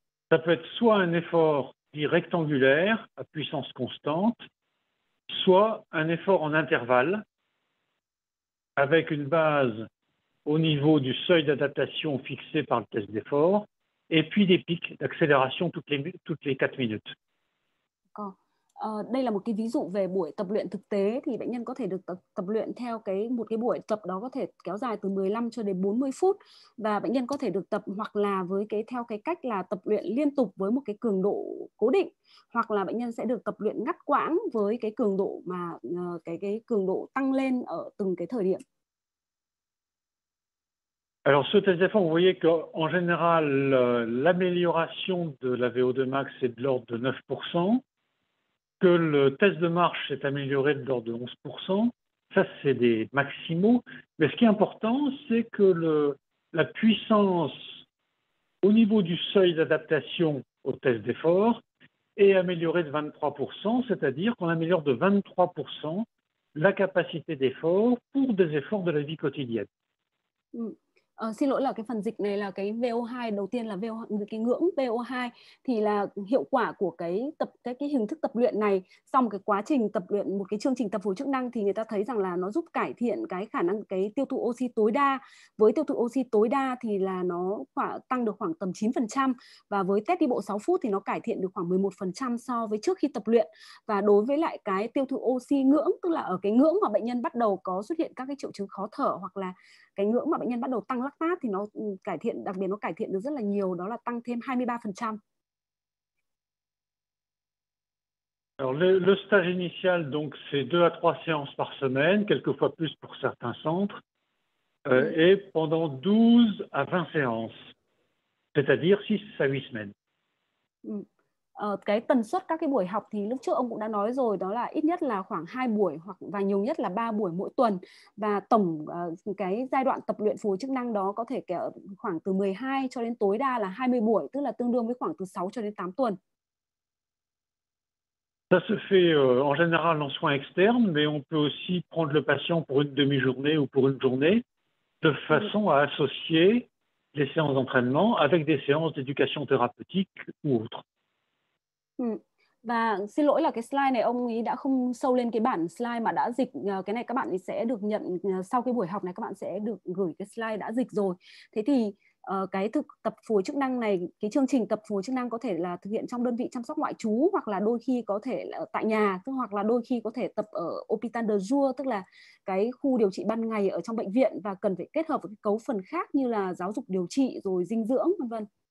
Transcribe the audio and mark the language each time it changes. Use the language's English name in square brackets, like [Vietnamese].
[French] Ça peut être soit un effort dit rectangulaire à puissance constante, soit un effort en intervalle avec une base au niveau du seuil d'adaptation fixé par le test d'effort et puis des pics d'accélération toutes les 4 minutes. D'accord. [Vietnamese] Đây là một cái ví dụ về buổi tập luyện thực tế thì bệnh nhân có thể được tập luyện theo cái một cái buổi tập đó có thể kéo dài từ 15 cho đến 40 phút và bệnh nhân có thể được tập hoặc là với cái theo cái cách là tập luyện liên tục với một cái cường độ cố định hoặc là bệnh nhân sẽ được tập luyện ngắt quãng với cái cường độ mà cái cường độ tăng lên ở từng cái thời điểm. [French] Alors sur test d'effort, vous voyez qu'en général l'amélioration de la VO2 max est de l'ordre de 9%. Que le test de marche s'est amélioré de l'ordre de 11%, ça c'est des maximaux. Mais ce qui est important, c'est que la puissance au niveau du seuil d'adaptation au test d'effort est améliorée de 23%, c'est-à-dire qu'on améliore de 23% la capacité d'effort pour des efforts de la vie quotidienne. [Vietnamese] Xin lỗi là cái phần dịch này là cái VO2 đầu tiên là VO, cái ngưỡng VO2 thì là hiệu quả của cái hình thức tập luyện này sau một cái quá trình tập luyện một cái chương trình tập phục chức năng thì người ta thấy rằng là nó giúp cải thiện cái khả năng cái tiêu thụ oxy tối đa. Với tiêu thụ oxy tối đa thì là nó tăng được khoảng tầm 9% và với test đi bộ 6 phút thì nó cải thiện được khoảng 11% so với trước khi tập luyện. Và đối với lại cái tiêu thụ oxy ngưỡng, tức là ở cái ngưỡng mà bệnh nhân bắt đầu có xuất hiện các cái triệu chứng khó thở hoặc là cái ngưỡng mà bệnh nhân bắt đầu tăng lắc tác thì nó cải thiện, đặc biệt nó cải thiện được rất là nhiều, đó là tăng thêm 23%. [French] Alors le stage initial donc c'est 2 à 3 séances par semaine, quelquefois plus pour certains centres, et pendant 12 à 20 séances, c'est-à-dire 6 à 8 semaines. [Vietnamese] cái tần suất các cái buổi học thì lúc trước ông cũng đã nói rồi, đó là ít nhất là khoảng 2 buổi hoặc và nhiều nhất là 3 buổi mỗi tuần, và tổng cái giai đoạn tập luyện phục hồi chức năng đó có thể kéo khoảng từ 12 cho đến tối đa là 20 buổi, tức là tương đương với khoảng từ 6 cho đến 8 tuần. [French] Ça se fait en général en soins externes, mais on peut aussi prendre le patient pour une demi-journée ou pour une journée, de façon à associer les séances d'entraînement avec des séances d'éducation thérapeutique ou autres. [Vietnamese] Và xin lỗi là cái slide này ông ấy đã không sâu lên cái bản slide mà đã dịch. Cái này các bạn sẽ được nhận sau cái buổi học này, các bạn sẽ được gửi cái slide đã dịch rồi. Thế thì cái thực tập phù hồi chức năng này, cái chương trình tập phù hồi chức năng có thể là thực hiện trong đơn vị chăm sóc ngoại trú, hoặc là đôi khi có thể là tại nhà, hoặc là đôi khi có thể tập ở Hôpital de Jour, tức là cái khu điều trị ban ngày ở trong bệnh viện, và cần phải kết hợp với cấu phần khác như là giáo dục điều trị rồi dinh dưỡng vân vân.